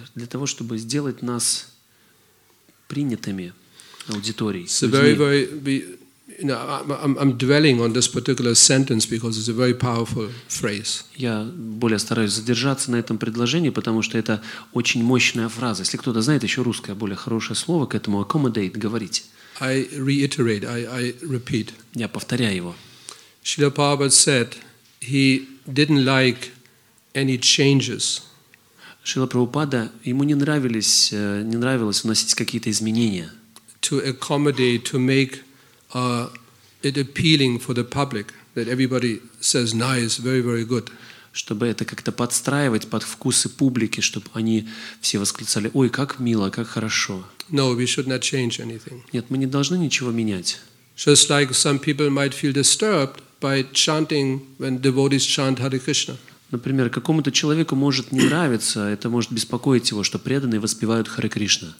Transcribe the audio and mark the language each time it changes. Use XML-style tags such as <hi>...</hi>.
<ru>Для того, чтобы сделать нас принятыми.</ru> <en>It's a very, very. You know, I'm dwelling on this particular sentence because it's a very powerful phrase.</en> <ru>Я более стараюсь задержаться на этом предложении, потому что это очень мощная фраза. Если кто-то знает еще русское более хорошее слово к этому accommodate, говорить.</ru> <en>I reiterate. I repeat.</en> <ru>Я повторяю его.</ru> <en>Srila Prabhupada said he didn't like any changes.</en> <ru>Шрила Прабхупада ему не нравилось вносить какие-то изменения.</ru> <en>To accommodate, to make it appealing for the public, that everybody says nice, very, very good.</en> <ru>Чтобы это как-то подстраивать под вкусы публики, чтобы они все восклицали: "Ой, как мило, как хорошо."</ru> <en>No, we should not change anything.</en> <ru>Нет, мы не должны ничего менять.</ru> <en>Just like some people might feel disturbed by chanting when devotees chant Hare Krishna.</en> <ru>Например, какому-то человеку может не нравиться, это может беспокоить его, что преданные воспевают Харе Кришна.</ru>